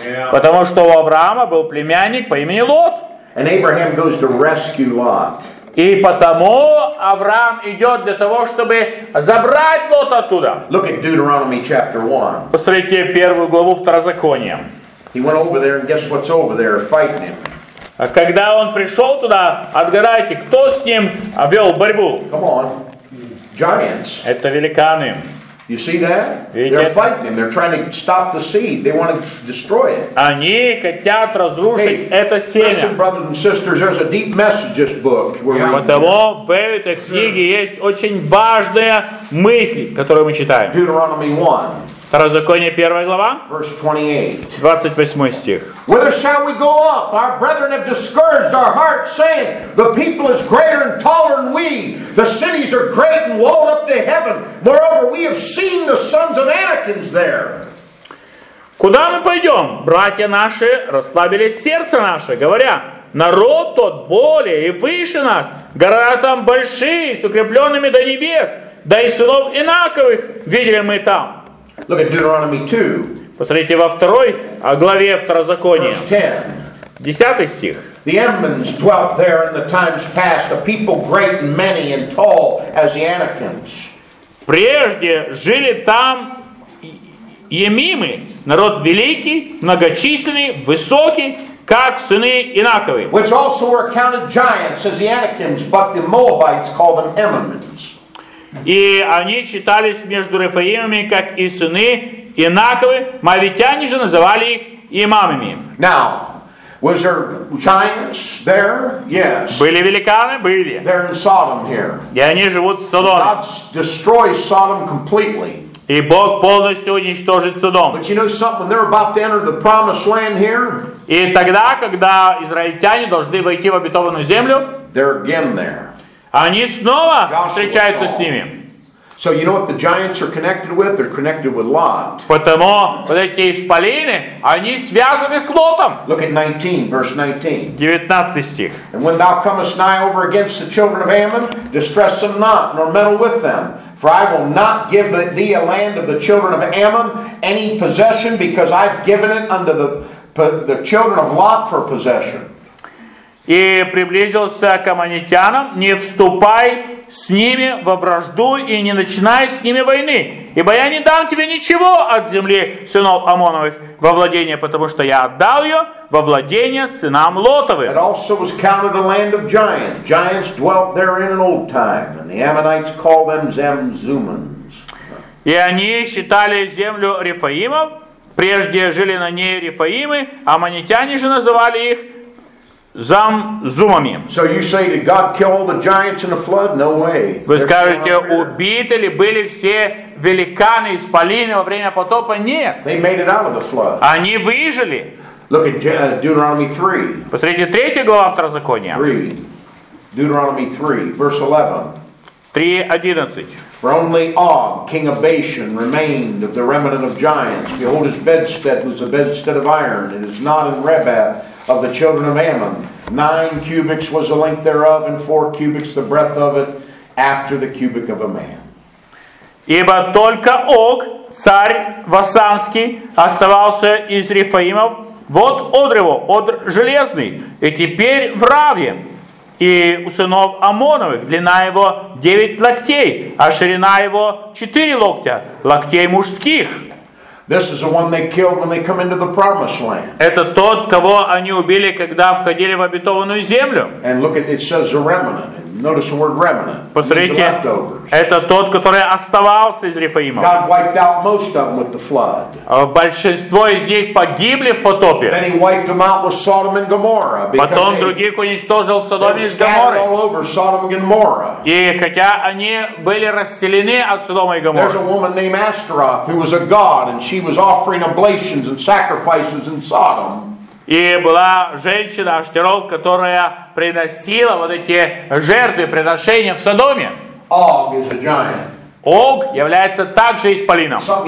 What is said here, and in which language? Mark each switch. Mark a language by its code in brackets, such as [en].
[ru] Потому что у Авраама был племянник по имени Лот. [en] And Abraham goes to rescue Lot. [ru] И потому Авраам идет для того, чтобы забрать Лот оттуда. [en] Look at Deuteronomy chapter 1. [ru] Посмотрите первую главу Второзакония. [en] He went over there, and guess what's over there fighting him? [ru] А когда он пришел туда, отгадайте, кто с ним вел борьбу? [en] Come on, giants. [ru] Это великаны. [en] You see that? They're fighting. They're trying to stop the seed. They want to destroy it. [ru] Они хотят разрушить это семя. [en] Listen, brothers and sisters, there's a deep message in this book. [ru] Потому в этой книге есть очень важная мысль, которую мы читаем. [en] Deuteronomy 1. [ru] Второзаконие, первая глава. [en] Verse [ru] 28 стих. [en] Whither shall we go up? Our brethren have discouraged our hearts, saying, the people is greater and taller than we. The cities are great and walled up to heaven. Moreover, we have seen the sons of Anakims there. [ru] Куда мы пойдем? Братья наши расслабили сердце наше, говоря, народ тот более и выше нас. Гора там большие, с укрепленными до небес. Да и сынов Инаковых видели мы там. [en] Look at Deuteronomy 2. [ru] Посмотрите во второй главе Второзакония. Десятый стих. [en] The Ammonites dwelt there in the times past, a people great and many and tall as the Anakims. [ru] Прежде жили там Емимы, народ великий, многочисленный, высокий, как сыны Инаковы. [en] Which also were counted giants as the Anakims, but the Moabites called them Ammonites. [ru] И они считались между Рефаимами, как и сыны Инаковы. Моавитяне же называли их имамами. [en] Now, was there giants there? Yes. [ru] Были великаны? Были. [en] They're in Sodom here. [ru] И они живут в Содоме. [en] God destroys Sodom completely. [ru] И Бог полностью уничтожит Содом. [en] But you know something? When they're about to enter the promised land here, [ru] и тогда, когда израильтяне должны войти в обетованную землю, [en] they're again there. [ru] Они снова встречаются с ними. [en] So you know what the giants are connected with? They're connected with Lot. [ru] Потому вот эти исполины, они связаны с Лотом. [en] Look at 19, verse 19. [ru] 19 стих. [en] And when thou comest nigh over against the children of Ammon, distress them not, nor meddle with them. For I will not give thee a land of the children of Ammon any possession, because I've given it unto the children of Lot for possession. [ru] И приблизился к аммонитянам, не вступай с ними во вражду и не начинай с ними войны, ибо я не дам тебе ничего от земли сынов Аммоновых во владение, потому что я отдал ее во владение сынам Лотовым. [en] It also was counted a land of giants. Giants dwelt there in an old time, and the Ammonites called them Zemzumans. [ru] И они считали землю Рефаимов, прежде жили на ней Рефаимы, аммонитяне же называли их Зам-зумами. [en] So you say, did God kill all the giants in the flood? No way. [ru] Вы скажете, убиты ли были все великаны из исполины во время потопа? Нет. [en] They made it out of the flood. [ru] Они выжили. [en] Look at Deuteronomy 3. [ru] Посмотрите третью главу Второзакония. [en] 3. Deuteronomy 3, verse 11. 3:11. For only Og, king of Bashan, remained of the remnant of giants. Behold, his bedstead was a bedstead of iron. It is not in Rebath of the children of Ammon. 9 cubits was the length thereof, and 4 cubits the breadth of it, after the cubit of a man. [ru] Ибо только Ог, царь Васанский, оставался из Рефаимов. Вот одр его, одр железный, и теперь в Раве. И у сынов Аммоновых длина его 9 локтей, а ширина его 4 локтя, локтей мужских. [en] This is the one they killed when they come into the promised land. [ru] Это тот, кого они убили, когда входили в обетованную землю. [en] And look at it, says the remnant. Notice the word remnant. [ru] Посмотрите, это тот, который оставался из Рефаимов. [en] God wiped out most of them with the flood. [ru] Большинство из них погибли в потопе. [en] Then he wiped them out with Sodom and Gomorrah. [ru] Потом других уничтожил в Содоме и [en] Гоморре. All over Sodom and Gomorrah. [ru] И хотя они были расселены от Содома и Гоморры. [en] There's a woman named Ashtaroth who was a god, and she was offering oblations and sacrifices in Sodom. [ru] И была женщина Аштеров, которая приносила вот эти жертвы, приношения в Содоме. [en] Og is a giant. [ru] Ог является также исполином.